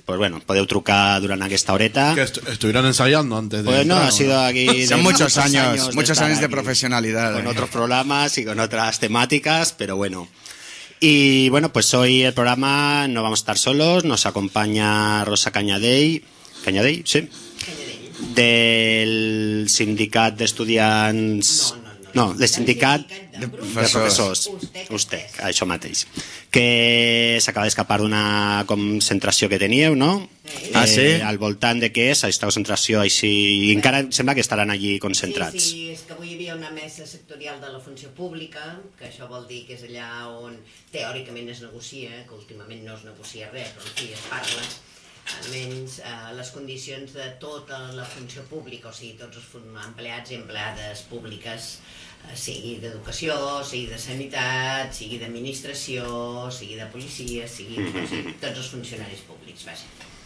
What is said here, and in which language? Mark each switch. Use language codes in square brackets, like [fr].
[ca] Pues bueno, podeu trucar durant aquesta horeta. [es] Que estuvieron ensayando antes de... Bueno, entrar, ¿no? Ha sido aquí... Son muchos años de profesionalidad. Con otros programas y con otras temáticas, pero bueno... Y bueno, pues hoy el programa no vamos a estar solos, nos acompaña Rosa Cañadey, sí, del Sindicat d'Estudiants... No, no, no, [ca] No, de sindicat de professors. Usted, això mateix. Que s'acaba d'escapar d'una concentració que teníeu, no? Ah, sí? Al voltant de què és aquesta concentració, així... I encara sembla que estaran allí concentrats. Sí, és que avui hi havia una mesa sectorial de la funció pública, que això vol dir que és allà on teòricament es negocia, que últimament no es negocia res, però aquí es parla, almenys les condicions de tota la funció pública, o sigui, tots els empleats i empleades públiques, sigui d'educació, sigui de sanitat, sigui d'administració, sigui de policia, sigui tots els funcionaris públics, vaja.